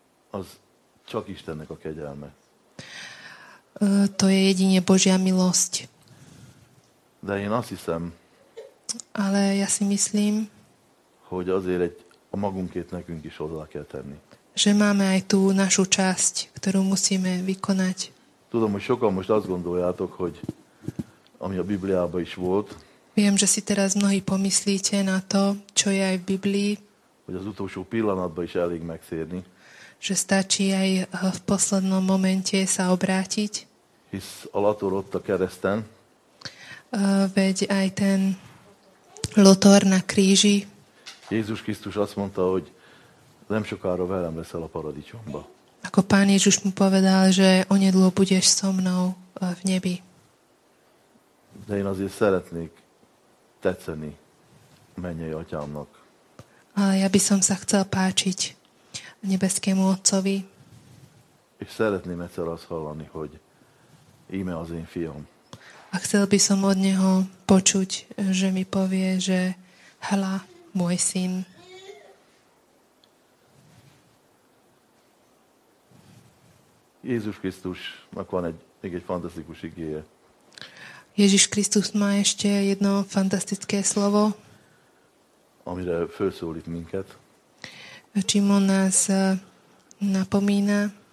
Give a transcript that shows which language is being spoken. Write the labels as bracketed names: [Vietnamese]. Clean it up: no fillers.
[Hungarian] Az csak Istennek a kegyelme. [Slovak] To je jedine Božia milosť. [Hungarian] De én azt hiszem, [Slovak] ale ja si myslím, [Hungarian] hogy azért egy, a magunkét nekünk is hozzá kell tenni. [Slovak] Že máme aj tú našu časť, ktorú musíme vykonať. [Hungarian] Tudom, hogy sokan most azt gondoljátok, hogy ami a Bibliában is volt. [Slovak] Viem, že si teraz mnohí pomyslíte na to, čo je aj v Biblii. [Hungarian] Hogy az utolsó pillanatban is elég megszérni. [Slovak] Že stačí aj v poslednom momente sa obrátiť. [Hungarian] Hisz a Lator ott a kereszten. [Slovak] Veď aj ten Lotor na kríži. [Hungarian] Jézus Krisztus azt mondta, hogy nem sokára velem leszel a paradicsomba. [Slovak] Ako Pán Ježiš mu povedal, že onedlho budeš so mnou v nebi. [Hungarian] De én azért szeretnék tetszeni mennyei atyámnak. [Slovak] Ale ja by som sa chcel páčiť nebeskému Otcovi. [Hungarian] És szeretném egyszer azt hallani, hogy íme az én fiam. [Slovak] A chcel by som od neho počuť, že mi povie, že hľa, môj syn. [Hungarian] Jézus Krisztusnak van egy fantasztikus igéje. [Slovak] Ježiš Kristus má ešte jedno fantastické slovo. [Hungarian] Amire felszólít minket. [Slovak] Čím on nás napomína.